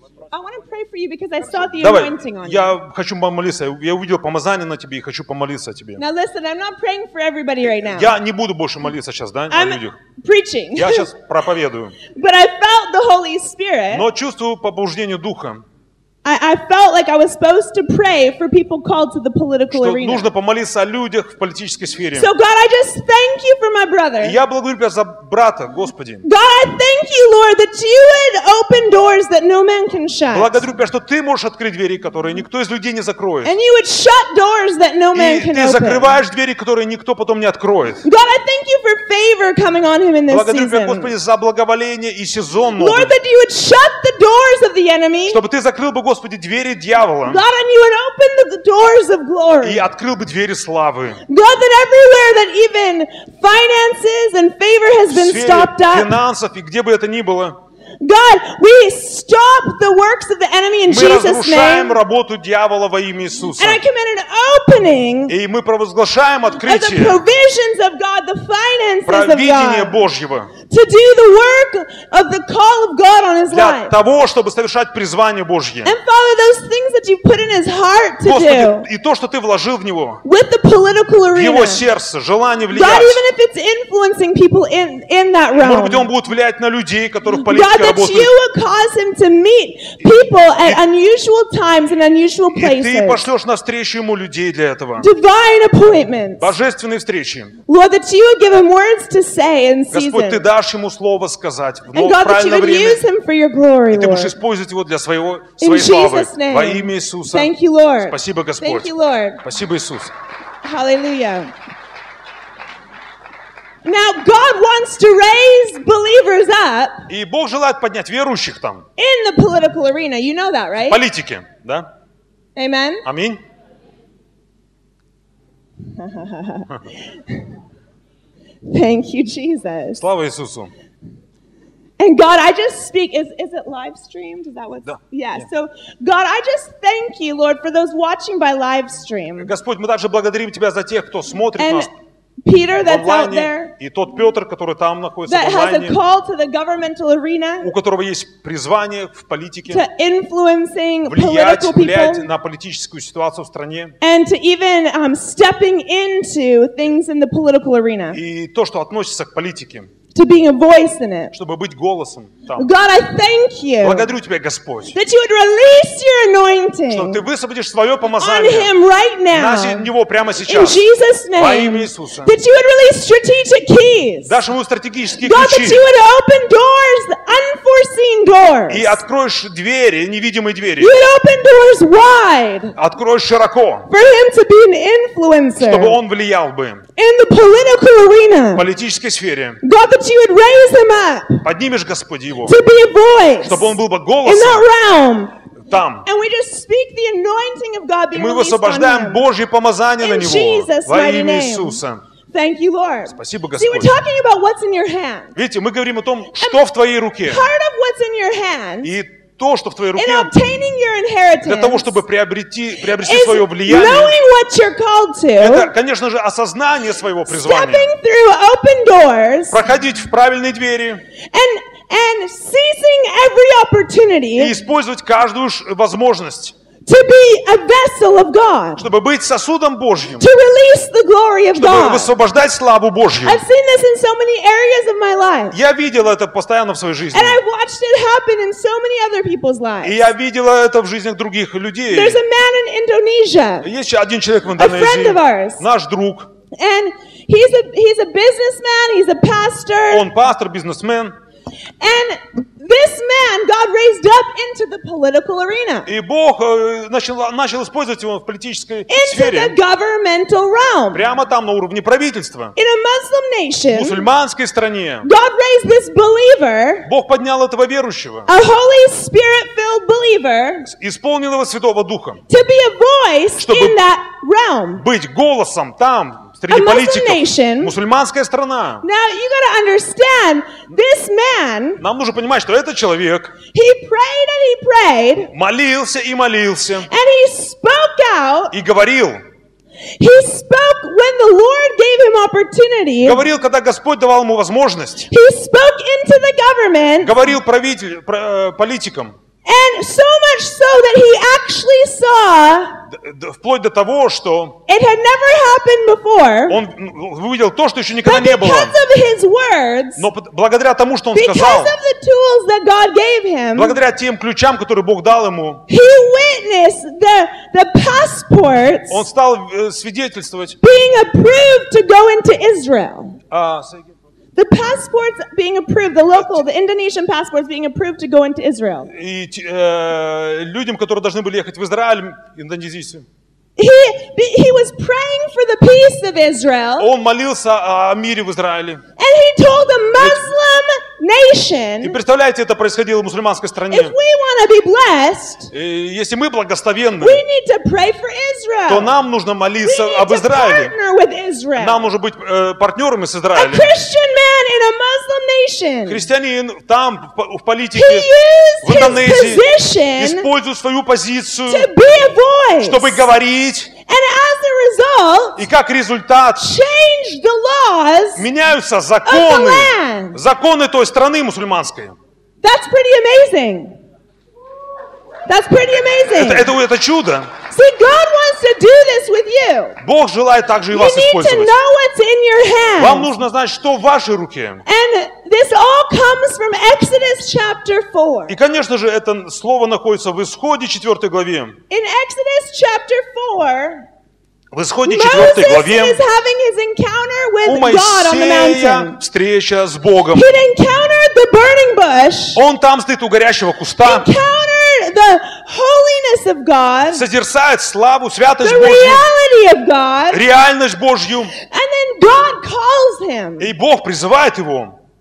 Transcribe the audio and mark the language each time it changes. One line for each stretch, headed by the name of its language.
English: I want to pray for you because I saw the anointing on you.
Russian: Я хочу помолиться. Я увидел помазание на тебе и хочу помолиться о тебе.
English: Now listen, I'm not praying for everybody right now.
Russian: Я не буду больше молиться сейчас, да, о людях.
English: I'm preaching.
Russian: Я сейчас проповедую.
English: But I felt the Holy Spirit.
Russian: Но чувствую побуждение Духа.
English: I felt like I was supposed to pray for people called to the political arena.
Russian: Что нужно помолиться о людях в политической сфере.
English: So God, I just thank you for my brother.
Russian: Я благодарю тебя за брата, Господи.
English: God, I thank you, Lord, that you would open doors that no man can shut.
Russian: Благодарю тебя, что ты можешь открыть двери, которые никто из людей не закроет.
English: And you would shut doors that no man can open.
Russian: И ты закрываешь двери, которые никто потом не откроет.
English: God, I thank you for favor coming on him in this season.
Russian: Благодарю тебя, Господи, за благоволение и сезон.
English: Lord, that you would shut the doors of the enemy.
Russian: Чтобы ты закрыл бы, Господи, двери дьявола.
English: God, and you would open the doors of glory.
Russian: И открыл бы двери славы.
English: God, that everywhere that even finances and favor has been stopped up.
Russian: В сфере финансов и где бы это ни было.
English: God, we stop the works of the enemy in Jesus' name.
Russian: Мы разрушаем работу дьявола во имя Иисуса.
English: And I command an opening.
Russian: И мы провозглашаем открытие.
English: Of the provisions of God, the finances of God.
Russian: Провидение Божьего.
English: To do the work of the call of God on his life.
Russian: Для того, чтобы совершать призвание Божье.
English: And Father, those things that you put in his heart to
Russian: Господи,
English: do.
Russian: И то, что ты вложил в него.
English: With the political arena.
Russian: В его сердце, желание влиять.
English: God, even if it's influencing people in that realm.
Russian: Может быть, он будет влиять на людей, которых в политике
English: God, that you would cause him to meet people at unusual times and unusual places.
Russian: И ты пошлешь навстречу ему людей для этого.
English: Divine appointments.
Russian: Божественные встречи.
English: Lord, that you would give him words to say in season.
Russian: Господь, ты дашь ему слово сказать в правильное время.
English: Use him for your glory,
Russian: и ты будешь использовать его для своей славы. Во имя Иисуса.
English: Thank you, Lord.
Russian: Спасибо, Господь.
English: Thank you, Lord.
Russian: Спасибо, Иисус.
English: Hallelujah. Now God wants to raise believers up.
Russian: И Бог желает поднять верующих там.
English: In the political arena, you know that, right?
Russian: В политике, да?
English: Amen.
Russian: Аминь.
English: Thank you, Jesus.
Russian: Слава Иисусу.
English: And God, I just speak. Is it live streamed? Is that what?
Russian: Да.
English: Yeah. So, God, I just thank you, Lord, for those watching by live stream.
Russian: Господь, мы также благодарим тебя за тех, кто смотрит нас.
English: Peter, that's out there.
Russian: И тот Петр, который там находится в онлайне.
English: That has a call to the governmental arena.
Russian: У которого есть призвание в политике.
English: To influencing political people.
Russian: Влиять на политическую ситуацию в стране.
English: And to even stepping into things in the political arena.
Russian: И то, что относится к политике.
English: To being a voice in it.
Russian: Чтобы быть голосом там.
English: God, I thank you.
Russian: Благодарю тебя, Господь.
English: That you would release your anointing.
Russian: Что ты высвободишь свое помазание.
English: On him right now.
Russian: На него прямо сейчас.
English: In Jesus' name.
Russian: Во имя Иисуса.
English: That you would release strategic keys.
Russian: Дашь ему стратегические
English: God,
Russian: ключи.
English: God, that you would open doors, unforeseen doors.
Russian: И откроешь двери, невидимые двери.
English: You would open doors wide.
Russian: Откроешь широко.
English: For him to be an influencer.
Russian: Чтобы он влиял бы.
English: In the political arena.
Russian: В политической сфере.
English: God, that you would raise him up.
Russian: Поднимешь, Господи, его.
English: To be a voice.
Russian: Чтобы он был бы голосом.
English: In that realm.
Russian: там.
English: And we just speak the anointing of God being released on him.
Russian: Мы высвобождаем Божье помазание на него во имя Иисуса.
English: Thank you, Lord.
Russian: Спасибо, Господь.
English: See, we're talking about what's in your hand.
Russian: Видите, мы говорим о том, что в твоей руке.
English: Part of what's in your hand.
Russian: И то, что в твоей руке.
English: In obtaining your inheritance.
Russian: Для того, чтобы приобрести свое влияние.
English: Knowing what you're called to.
Russian: Это, конечно же, осознание своего призвания.
English: Stepping through open doors.
Russian: Проходить в правильные двери.
English: And seizing every opportunity.
Russian: И использовать каждую возможность.
English: To be a vessel of God.
Russian: Чтобы быть сосудом Божьим.
English: To release the glory of
Russian: чтобы
English: God.
Russian: Чтобы высвобождать славу Божью.
English: I've seen this in so many areas of my life.
Russian: Я видел это постоянно в своей жизни.
English: And I've watched it happen in so many other people's lives.
Russian: И я видел это в жизнях других людей.
English: There's a man in Indonesia.
Russian: Есть один человек в Индонезии.
English: A friend of ours.
Russian: Наш друг.
English: And he's a businessman. He's a pastor.
Russian: Он пастор, бизнесмен.
English: And this man God raised up into the political arena.
Russian: И Бог начал использовать его в политической сфере.
English: Into the governmental realm.
Russian: Прямо там на уровне правительства.
English: In a Muslim nation.
Russian: В мусульманской стране.
English: God raised this believer.
Russian: Бог поднял этого верующего.
English: A Holy Spirit-filled believer.
Russian: Исполненного Святого Духа.
English: To be a voice in that realm.
Russian: Быть голосом там.
English: A Muslim nation.
Russian: Мусульманская страна.
English: Now you got to understand this man.
Russian: Нам нужно понимать, что этот человек.
English: He prayed and he prayed.
Russian: Молился и молился.
English: And he spoke out.
Russian: И говорил.
English: He spoke when the Lord gave him opportunity.
Russian: Говорил, когда Господь давал ему возможность.
English: He spoke into the government.
Russian: Говорил политикам.
English: And so much so that he actually saw.
Russian: Вплоть до того, что.
English: It had never happened before.
Russian: Он увидел то, что еще никогда не было.
English: Because of his words.
Russian: Но благодаря тому, что он сказал.
English: Because of the tools that God gave him.
Russian: Благодаря тем ключам, которые Бог дал ему.
English: He witnessed the passports.
Russian: Он стал свидетельствовать.
English: Being approved to go into Israel. The passports being approved, the local, the Indonesian passports being approved to go into Israel.
Russian: И людям, которые должны были ехать в Израиль, индонезийцы.
English: He was praying for the peace of Israel.
Russian: Он молился о мире в Израиле.
English: And he told the Muslim nation.
Russian: И представляете, это происходило в мусульманской стране.
English: If we want to be blessed.
Russian: Если мы благословенны.
English: We need to pray for Israel.
Russian: То нам нужно молиться об Израиле.
English: We need to partner with Israel.
Russian: Нам нужно быть партнерами с Израилем.
English: A Christian man in a Muslim nation.
Russian: Христианин там в политике в Индонезии использует свою позицию.
English: To be a voice.
Russian: Чтобы говорить.
English: And as a result,
Russian: и как результат,
English: change the laws
Russian: меняются законы,
English: of the land.
Russian: Законы той страны мусульманской.
English: That's pretty amazing. That's pretty amazing.
Russian: Это чудо.
English: See, God wants to do this with you.
Russian: Бог желает также и вас использовать.
English: You need to know what's in your hand.
Russian: Вам нужно знать, что в вашей руке.
English: And this all comes from Exodus chapter 4.
Russian: И, конечно же, это слово находится в Исходе 4 главе.
English: In Exodus chapter 4.
Russian: В Исходе 4 главе.
English: Moses is having his encounter with God on the mountain.
Russian: У Моисея встреча с Богом.
English: He encountered the burning bush.
Russian: Он там стоит у горящего куста.
English: The holiness of God.
Russian: Созерцает славу, святость Божью.
English: The reality of God.
Russian: Реальность Божью.
English: And then God calls him.
Russian: И Бог призывает его.